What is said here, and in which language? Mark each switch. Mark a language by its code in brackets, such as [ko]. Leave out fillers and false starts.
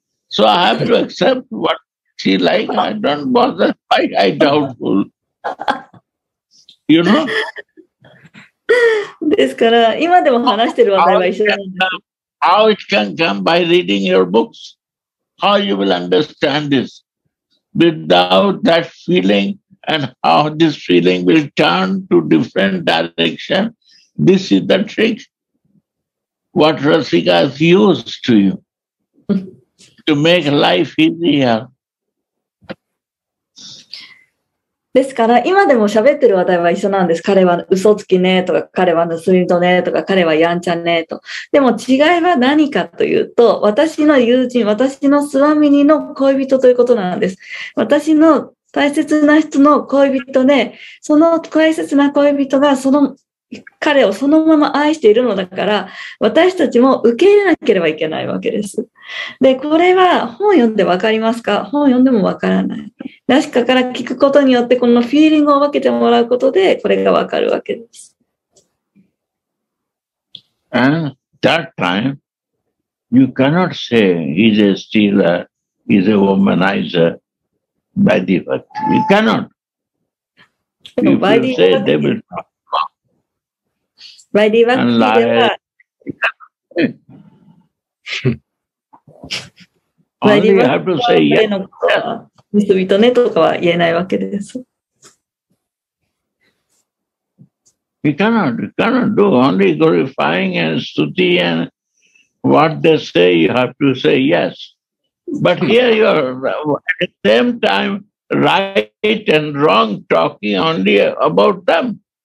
[en] So I have to accept what She like, I don't bother, I doubtful. You know? [ja] ですから、今でも話してる話題は一緒なんです。 [en] How it can come by reading your books? How you will understand this? Without that feeling, and how this feeling will turn to different direction, this is the trick. What Rasika has used to you, to make life easier. [ja] ですから今でも喋ってる話題は一緒なんです。彼は嘘つきねとか、彼は盗み人ねとか、彼はやんちゃねと。でも違いは何かというと、私の友人、私のスワミニの恋人ということなんです。私の大切な人の恋人で、その大切な恋人がその彼をそのまま愛しているのだから、私たちも受け入れなければいけないわけです。で、これは本読んでわかりますか？本読んでもわからない。ナシカから聞くことによって、このフィーリングを分けてもらうことでこれがわかるわけです。 [en] And that time you cannot say he's a stealer, he's a womanizer by default. You cannot. You say devil talk. [ja] バイディバクティでは、バイディバクティでのことは、ミスビトネとかは言えないわけです。 [en] You cannot do only glorifying and stuti and what they say, you have to say yes. But here you are at the same time right and wrong talking only about them.